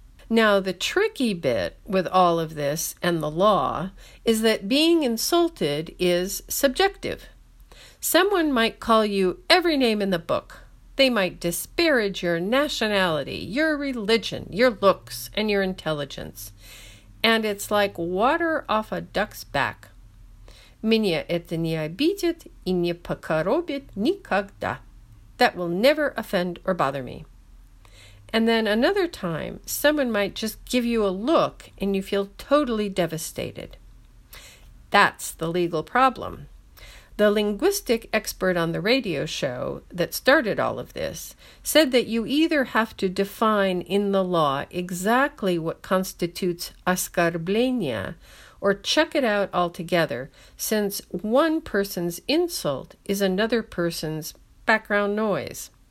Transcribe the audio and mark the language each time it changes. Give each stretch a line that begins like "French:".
English: Now, the tricky bit with all of this and the law is that being insulted is subjective. Someone might call you every name in the book. They might disparage your nationality, your religion, your looks, and your intelligence. And it's like water off a duck's back.
Russian: Меня это не обидит и не покоробит никогда.
English: That will never offend or bother me. And then another time, someone might just give you a look and you feel totally devastated. That's the legal problem. The linguistic expert on the radio show that started all of this said that you either have to define in the law exactly what constitutes оскорбление or check it out altogether, since one person's insult is another person's background noise.